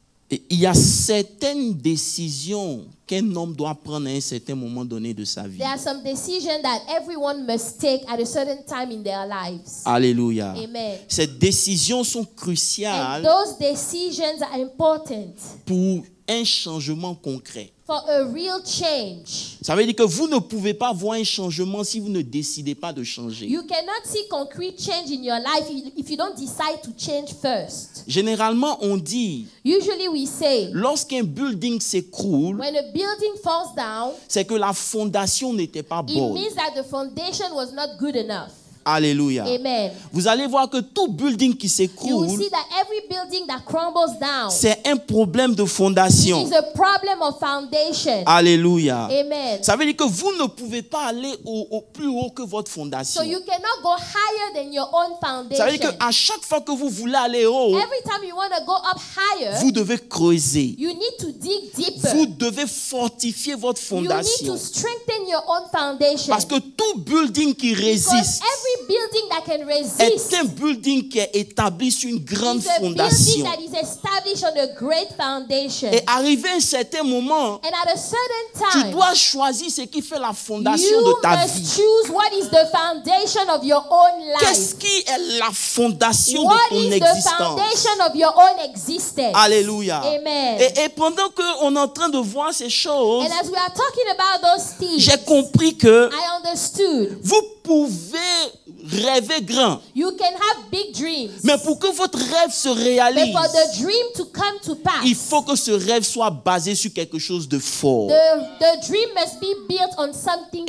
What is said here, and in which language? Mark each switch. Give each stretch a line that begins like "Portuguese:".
French: il y a certaines décisions qu'un homme doit prendre à un certain moment donné de sa vie.
English: There are some decisions that everyone must take at a certain time in their lives.
French: Alléluia.
English: Amen.
French: Ces décisions sont cruciales.
English: And those decisions are important.
French: Pour un changement concret.
English: For a real change.
French: Ça veut dire que vous ne pouvez pas voir un changement si vous ne décidez pas de changer.
English: You cannot see concrete change in your life if you don't decide to change first.
French: Généralement, on dit.
English: Usually we say.
French: Lorsqu'un building s'écroule.
English: When a building falls down.
French: C'est que la fondation n'était pas bonne.
English: It means that the foundation was not good enough.
French: Alléluia.
English: Amen.
French: Vous allez voir que tout building qui s'écroule,
English: you will see that every building that crumbles down,
French: c'est un problème de fondation.
English: It is a problem of foundation.
French: Alléluia.
English: Amen.
French: Ça veut dire que vous ne pouvez pas aller au plus haut que votre fondation.
English: So you cannot go higher than your own foundation.
French: Ça veut dire que à chaque fois que vous voulez aller haut,
English: every time you want to go up higher,
French: vous devez creuser.
English: You need to dig deeper.
French: Vous devez fortifier votre fondation.
English: You need to strengthen your own foundation.
French: Parce que tout building qui résiste,
English: every building that can resist
French: est un building qui est établi sur une grande fondation.
English: Building that is established on a great foundation.
French: Et arrivé à un certain moment,
English: and at a certain time,
French: tu dois choisir ce qui fait la fondation de ta vie.
English: You must choose what is the foundation of your own life.
French: Qu'est-ce qui est la fondation
English: what
French: de ton
English: is
French: existence?
English: The foundation of your own existence?
French: Alléluia.
English: Amen.
French: Et pendant que on est en train de voir ces choses,
English: and as we are talking about those things,
French: j'ai compris que
English: I understood.
French: Vous pouvez rêver grand.
English: You can have big dreams.
French: Mais pour que votre rêve se réalise,
English: but for the dream to come to pass,
French: il faut que ce rêve soit basé sur quelque chose de fort.
English: The dream must be built on something strong.